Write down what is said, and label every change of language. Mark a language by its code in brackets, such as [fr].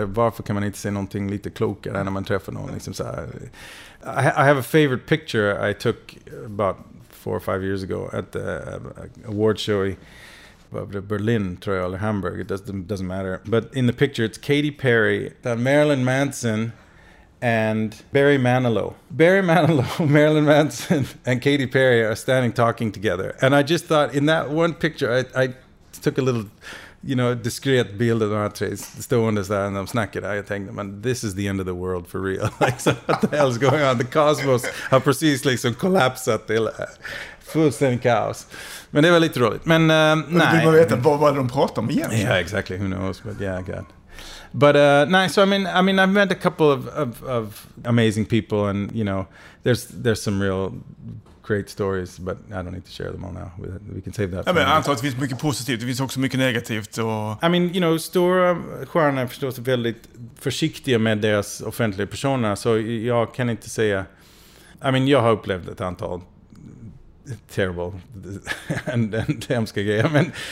[sv] Eller varför kan man inte säga någonting lite klokare när man träffar någon? Liksom så här. [en] I have a favorite picture I took about 4 or 5 years ago at the award show Berlin, [sv] tror jag, eller Hamburg. [en] It doesn't matter. But in the picture, it's Katy Perry, Marilyn Manson, and Barry Manilow. Barry Manilow, Marilyn Manson, and Katy Perry are standing talking together. And I just thought, in that one picture, I took a little, you know, discreet bild of the [sv] stående där [en] and I'm snacking. I think, man, this is the end of the world for real. Like, so what the hell is going on? The cosmos [sv] har precis liksom kollapsat. Fullständigt kaos. Men det var lite roligt. Men nej. Du bara vet vad var de pratade om igen. [en] Yeah, exactly. Who knows? But yeah, God. But nice. So I mean, I've met a couple of amazing people, and you know, there's some real great stories, but I don't need to share them all now. We can save that. [sv] Ja, men jag antar att det finns mycket positivt. Det finns också mycket negativt. Och... [en] I mean, you know, [sv] stora stjärnor är förstås väldigt försiktiga med deras offentliga personer. Så jag kan inte säga... [en] I mean, [sv] jag har upplevt ett antal [en] terrible and [sv] hemska grejer.